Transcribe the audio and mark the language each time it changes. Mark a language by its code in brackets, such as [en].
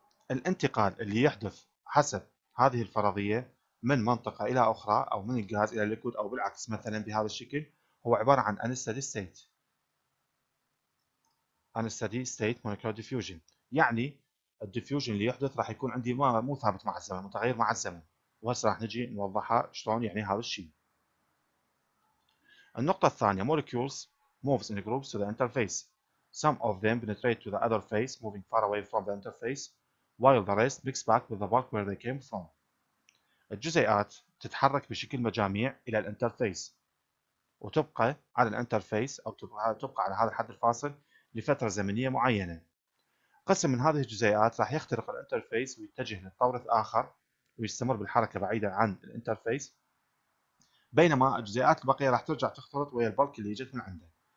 [ar] الانتقال اللي يحدث حسب هذه الفرضية من منطقة إلى أخرى أو من الغاز إلى الليكويد أو بالعكس مثلا بهذا الشكل هو عبارة عن Unsteady State. Unsteady State Molecular Diffusion، يعني الديفيوجن اللي يحدث راح يكون عندي مو ثابت مع الزمن، متغير مع الزمن. وهسه راح نجي نوضحها شلون يعني هذا الشيء. النقطة الثانية، [en] molecules moves in groups to the interface. Some of them penetrate to the other face moving far away from the interface while the rest mix back with the bulk where they came from. [ar] الجزيئات تتحرك بشكل مجاميع إلى الانترفيس وتبقى على الانترفيس أو تبقى على هذا الحد الفاصل لفترة زمنية معينة. قسم من هذه الجزيئات راح يخترق الانترفيس ويتجه للطور الآخر ويستمر بالحركة بعيدا عن الانترفيس، بينما الجزيئات البقية راح ترجع تختلط ويا البلك اللي اجت من عنده.